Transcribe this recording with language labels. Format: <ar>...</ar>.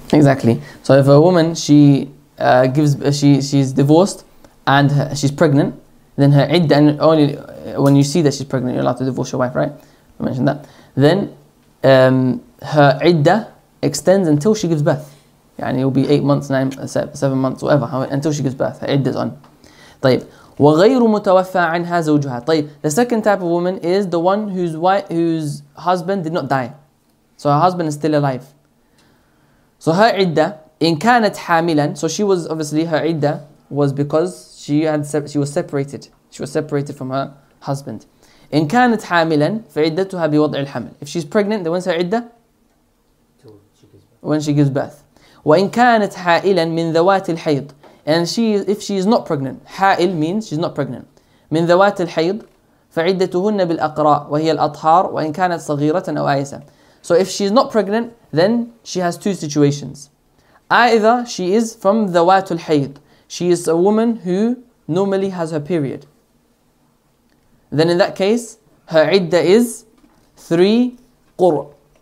<en>Exactly. So if a woman, she's divorced and she's pregnant, then her iddah, and only when you see that she's pregnant, you're allowed to divorce your wife, right? I mentioned that. Then her iddah extends until she gives birth. يعني will be 8 months, 9, 7 months, whatever, until she gives birth. عدة on.</en> <ar>طيب وغير متوفى عنها زوجها.</ar> <en>طيب the second type of woman is the one whose wife, whose husband did not die, so her husband is still alive. So her عدة</en> <ar>إن كانت حاملا,</ar> <en>so she was obviously, her عدة was because she had, she was separated, she was separated from her husband.</en> <ar>إن كانت حاملا فعدتها بوضع الحمل.</ar> <en>If she's pregnant, then when's her عدة? When she gives birth.</en> <ar>وإن كانت حائلا من ذوات الحيض.</ar> <en>And she, if she is not pregnant, حائل means she's not pregnant.</en> <ar>من ذوات الحيض فعدتهن بالأقراء وهي الأطهار وإن كانت صغيرة أو آيسة.</ar> <en>So if she's not pregnant, then she has two situations. Either she is from ذوات الحيض, she is a woman who normally has her period, then in that case, her عدة is 3 قرء.</en>